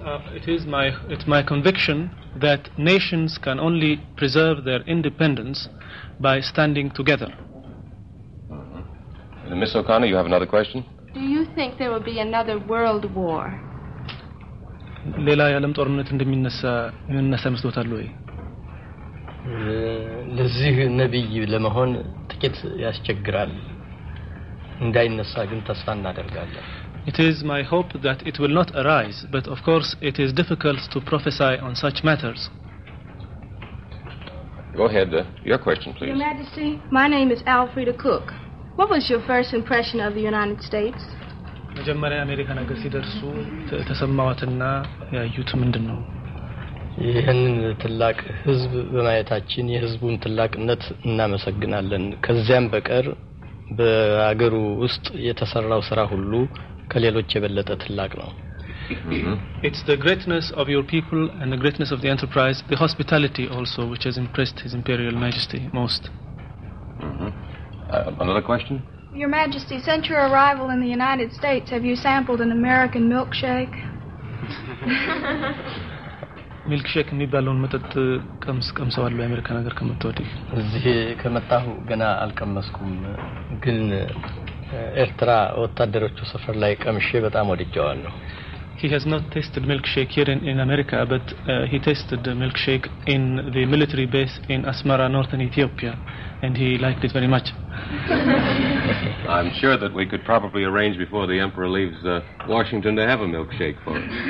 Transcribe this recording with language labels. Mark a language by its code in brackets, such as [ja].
[en] It's my conviction that nations can only preserve their independence by standing together Ms. O'Connor you have another question Do you think there will be another world war [am] ሌላ የዓለም ጦርነት እንደሚነሳ መስሎታል ወይ ለዚህ ነብይ ለመሆን ጥቂት ያስቸግራል እንዳይነሳ ግን ተስፋ እናደርጋለን [en] It is my hope that it will not arise but of course it is difficult to prophesy on such matters Go ahead your question please Your Majesty my name is Alfreda Cook What was your first impression of the United States [am] መጀመሪያ አሜሪካ ነገር ሲደርሱ ተሰማዋትና ያዩት ምንድነው ይህንን ትላቅ ህዝብ በማየታችን የህዝቡን ትላቅነት እናመሰግናለን ከዚያም በቀር በአገሩ ውስጥ የተሰራው ስራ ሁሉ ከሌሎች የበለጠ ትላቅ ነው። [en] It's the greatness of your people and the greatness of the enterprise, the hospitality also, which has impressed His Imperial Majesty most. Another question? Your Majesty, since your arrival in the United States, have you sampled an American milkshake? [am] milkshake የሚባለውን መጠጥ ቀምሰዋል በአሜሪካ ነገር ከመጣሁ? እዚህ ከመጣሁ ገና አልቀመስኩም ግን ኤርትራ ወታደሮቹ ሰፈር ላይ ቀምሼ በጣም ወድጃዋለሁ። [en] He has not tasted milkshake here in America, but he tasted the milkshake in the military base in Asmara, northern Ethiopia, and he liked it very much. I'm sure that we could probably arrange before the Emperor leaves Washington to have a milkshake for him.